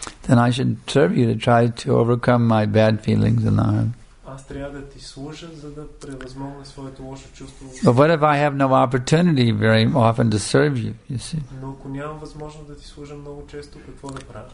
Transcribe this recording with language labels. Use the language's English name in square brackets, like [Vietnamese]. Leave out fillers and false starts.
[English] then I should serve you to try to overcome my bad feelings in the heart. [Bulgarian] Аз трябва да ти служа, за да превъзмогна своето лошо чувство. [English] But what if I have no opportunity very often to serve you, you see? [Bulgarian] Но ако нямам възможност да ти служа много често, какво да правя?